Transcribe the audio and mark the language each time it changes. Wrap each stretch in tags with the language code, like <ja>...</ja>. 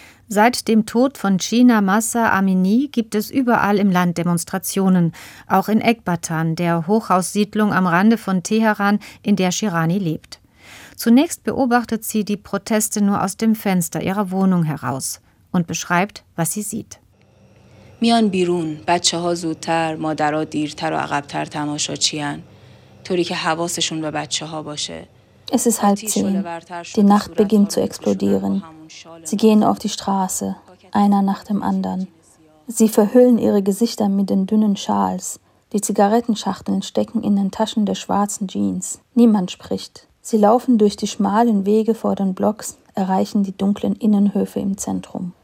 <de>Seit dem Tod von China Massa Amini gibt es überall im Land Demonstrationen, auch in Ekbatan, der Hochhaussiedlung am Rande von Teheran, in der Shirani lebt. Zunächst beobachtet sie die Proteste nur aus dem Fenster ihrer Wohnung heraus und beschreibt, was sie sieht.</de> <fa>میان بیرون، بچه‌ها زودتر، مادرها دیرتر و عقب‌تر تماشاچیان، طوری که حواسشون به بچه‌ها باشه.</fa> <de>Es ist 22 Uhr. Die Nacht beginnt zu explodieren. Sie gehen auf die Straße, einer nach dem anderen. Sie verhüllen ihre Gesichter mit den dünnen Schals. Die Zigarettenschachteln stecken in den Taschen der schwarzen Jeans. Niemand spricht. Sie laufen durch die schmalen Wege vor den Blocks, erreichen die dunklen Innenhöfe im Zentrum.</de>